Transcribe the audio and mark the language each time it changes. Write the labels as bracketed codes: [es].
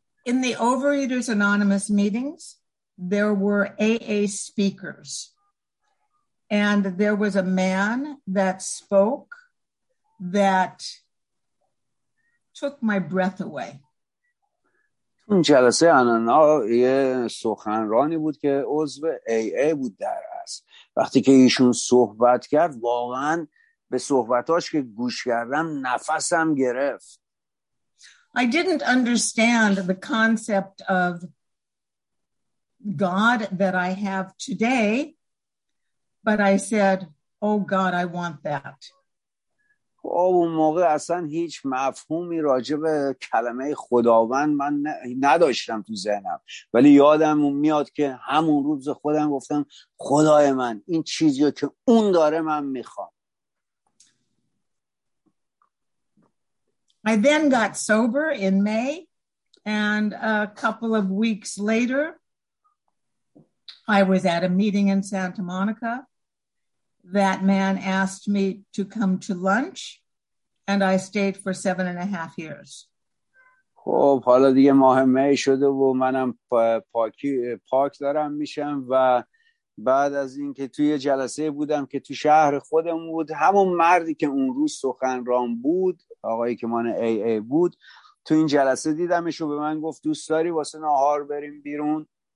[en] In the Overeaters Anonymous meetings, there were AA speakers. And there was a man that spoke that took my breath away. [fa] اون جلسه آنانا یه سخنرانی بود که عضو AA بود در است. وقتی که ایشون صحبت کرد واقعا به صحبتاش که گوش کردم نفسم گرفت. [en] I didn't understand the concept of God that I have today, but I said, "Oh God, I want that." [fa] خب اون موقع اصلا هیچ مفهومی راجع به کلمه خداوند من نداشتم تو ذهنم، ولی یادم میاد که همون روز خودم گفتم خدای من این چیزیو که اون داره من میخوام. [en] I then got sober in May, and a couple of weeks later, I was at a meeting in Santa Monica. That man asked me to come to lunch, and I stayed for 7.5 years. [fa] خب حالا دیگه ماه می شده و منم پاک دارم میشم و بعد از اینکه توی جلسه بودم که تو شهر خودم بود، همون مردی که اون روز سخنران بود، آقایی که من AA بود، تو این جلسه دیدمش و به من گفت دوست داری واسه نهار بریم بیرون.